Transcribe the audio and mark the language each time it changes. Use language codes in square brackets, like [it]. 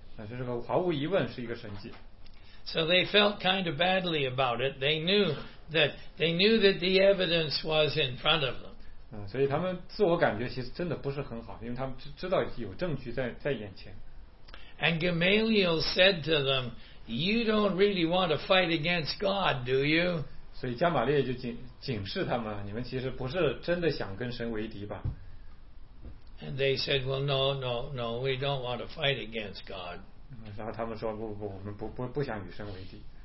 [zh] 那这个毫无疑问是一个神迹。 [en] So they felt kind of badly about it. They knew that the evidence was in front of them. [zh] 所以他们自我感觉其实真的不是很好，因为他们知道有证据在眼前。 [en] And Gamaliel said to them, "You don't really want to fight against God, do you?" [zh] 所以加玛列就警示他们，你们其实不是真的想跟神为敌吧？ [en] And they said, "Well, no, we don't want to fight against God." [zh] 然后他们说不，我们不想与神为敌。